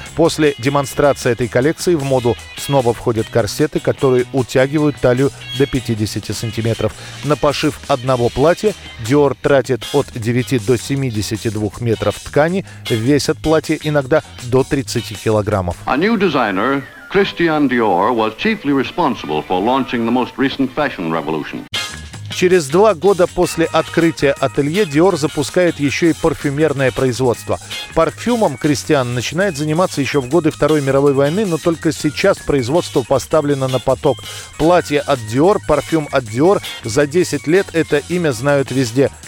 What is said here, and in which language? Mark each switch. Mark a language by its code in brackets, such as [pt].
[ru] После демонстрации этой коллекции в моду снова входят корсеты, которые утягивают талию до 50 сантиметров. На пошив одного платья Диор тратит от 9 до 72 метров ткани, весят платье иногда до 30 килограммов. [en] A new designer, Christian Dior, was chiefly responsible for launching the most recent fashion revolution. [ru] Через два года после открытия ателье Диор запускает еще и парфюмерное производство. Парфюмом Кристиан начинает заниматься еще в годы Второй мировой войны, но только сейчас производство поставлено на поток. Платье от Диор, парфюм от Диор, за 10 лет это имя знают везде.